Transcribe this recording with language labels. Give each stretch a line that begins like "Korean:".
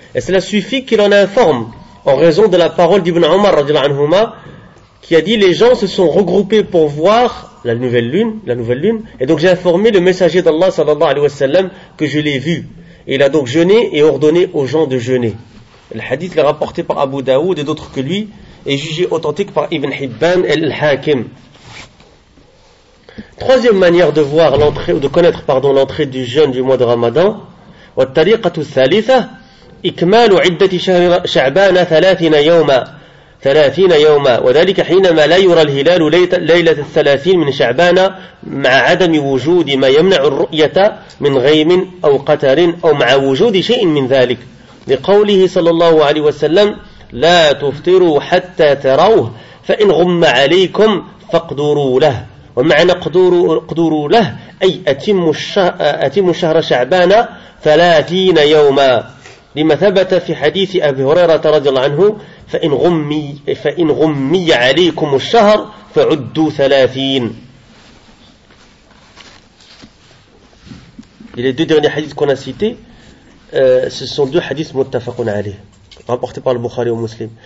French: Et cela suffit qu'il en informe, en raison de la parole d'Ibn Omar,
Arabic: radiallahu anhuma,
French: qui a dit, les gens se sont regroupés pour voir la nouvelle lune, et donc j'ai informé le messager d'Allah,
Arabic: sallallahu alayhi wa sallam,
French: que je l'ai vu. Et il a donc jeûné et ordonné aux gens de jeûner. Le hadith l'a rapporté par Abu Daoud et d'autres que lui, et jugé authentique par Ibn Hibban al-Hakim. Troisième manière de voir l'entrée, ou de connaître, pardon, l'entrée du jeûne du mois de Ramadan,
Arabic: وَالطَّرِيقَةُ الثَّالِثَةِ إِكْمَالُ عِدَّةِ شَعْبَانَ ثَلَاثِينَ يَوْمًا ثلاثين يوما وذلك حينما لا يرى الهلال ليلة الثلاثين من شعبان مع عدم وجود ما يمنع الرؤية من غيم أو قتر أو مع وجود شيء من ذلك لقوله صلى الله عليه وسلم لا تفطروا حتى تروه فإن غم عليكم فاقدروا له ومعنى اقدروا له أي أتم الشهر شعبان ثلاثين يوما لما ثبت في حديث أبي هريرة رضي الله عنه فإن غمي عليكم الشهر فعدوا ثلاثين.
French: Les deux derniers hadiths qu'on a cités, ce sont deux hadiths
Arabic: muttafaqun alayh,
French: rapportés par le Bukhari et le Muslim.